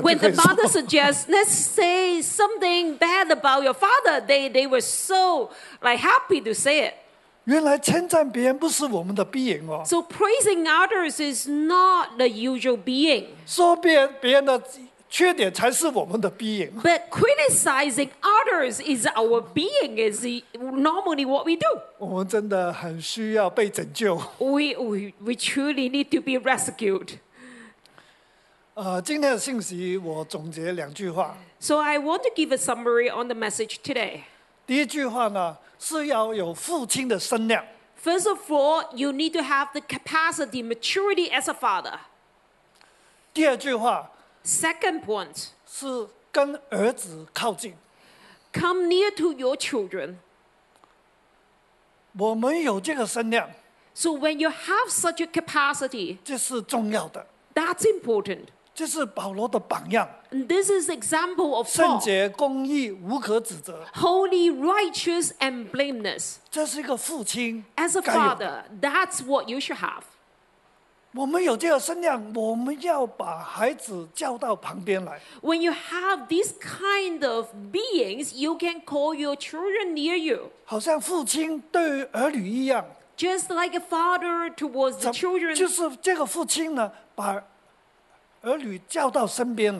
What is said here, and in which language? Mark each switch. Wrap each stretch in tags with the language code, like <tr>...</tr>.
<en>When the mother suggests, let's say something bad about your father, they were so like happy to say it.</en> <zh>原来称赞别人不是我们的 being 哦。</zh> <en>So praising others is not the usual being.</en> <zh>说别人的缺点才是我们的 being.</zh> <en>But criticizing others is our being, is normally what we do.</en> <zh>我们真的很需要被拯救。</zh> <en>We truly need to be rescued.</en> <zh>今天的信息我总结两句话。</zh> <en>So I want to give a summary on the message today.</en> <zh>第一句话呢是要有父亲的身量。</zh> <en>First of all, you need to have the capacity, maturity as a father.</en> <zh>第二句话。</zh> <en>Second point.</en> <zh>是跟儿子靠近。</zh> <en>Come near to your children.</en> <zh>我们有这个身量。</zh> <en>So when you have such a capacity.</en> <zh>这是重要的。</zh> <en>That's important.</en> <zh>这是保罗的榜样。</zh> <en>This is example of</en> <zh>圣洁公义无可指责</zh> <en>Holy, righteous, and blameless.</en> <zh>这是一个父亲</zh> <en>As a father, that's what you should have.</en> <zh>我们有这个身量，我们要把孩子叫到旁边来</zh> <en>When you have these kind of beings, you can call your children near you.</en> <zh>好像父亲对儿女一样</zh> <en>Just like a father towards the children.</en> <zh>就是这个父亲呢，把儿女叫到身边来</zh>